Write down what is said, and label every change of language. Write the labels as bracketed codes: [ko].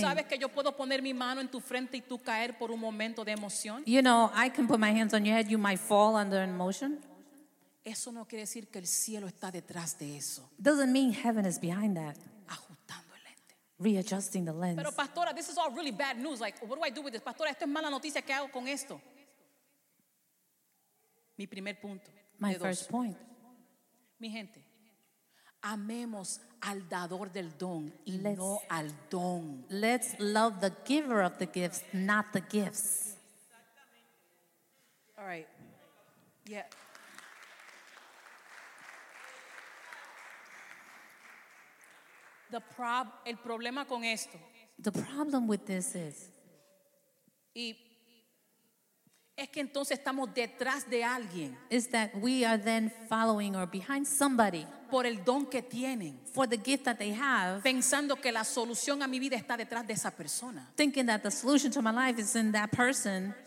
[es] sabes que yo puedo poner mi mano en tu frente y tú caer por un momento de emoción. [en] You know, I can put my hands on your head, you might fall under emotion. [es] Eso no quiere decir que el cielo está detrás de eso. [en] Doesn't mean heaven is behind that. [es] Ajustando el lente. [en] Readjusting the lens. [es] Pero pastora, [en] this is all really bad news. Like, what do I do with this? [es] Pastora, esto es mala noticia. ¿Qué hago con esto? Mi primer punto. [en] My first point. [es] Mi gente. Amemos al dador del don y no al don. [en] Let's love the giver of the gifts, not the gifts. All right. Yeah. [es] El problema con esto. [en] The problem with this is. [es] Y es que entonces estamos detrás de alguien. [en] Is that we are then following or behind somebody. [es] Por el don que tienen. [en] For the gift that they have. [es] Pensando que la solución a mi vida está detrás de esa persona. [en] Thinking that the solution to my life is in that person.